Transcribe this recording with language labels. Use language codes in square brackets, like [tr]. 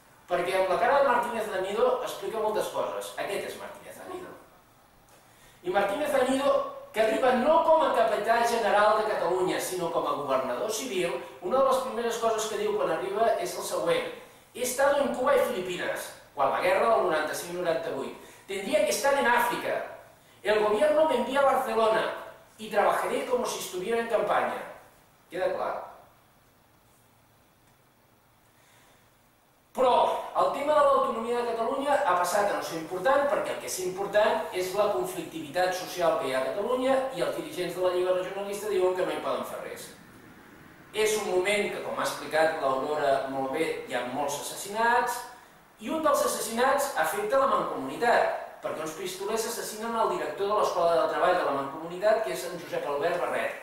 [ca] Perquè amb la cara de Martínez Anido explica moltes coses. Aquest és Martínez Anido. I Martínez Anido, que arriba no com a capità general de Catalunya, sinó com a governador civil, una de les primeres coses que diu quan arriba és el següent. [es] He estado en Cuba y Filipinas, [ca] quan la guerra del [es] 95-98. Tendría que estar en África. El gobierno me envía a Barcelona y trabajaré como si estuviera en campaña. [ca] Queda clar. Però el tema de l'autonomia de Catalunya ha passat a no ser important, perquè el que és important és la conflictivitat social que hi ha a Catalunya, i els dirigents de la Lliga Regionalista diuen que no hi poden fer res. És un moment que, com ha explicat l'Aurora molt bé, hi ha molts assassinats, i un dels assassinats afecta la Mancomunitat, perquè uns pistolers assassinen el director de l'Escola de Treball de la Mancomunitat, que és en Josep Albert Barret.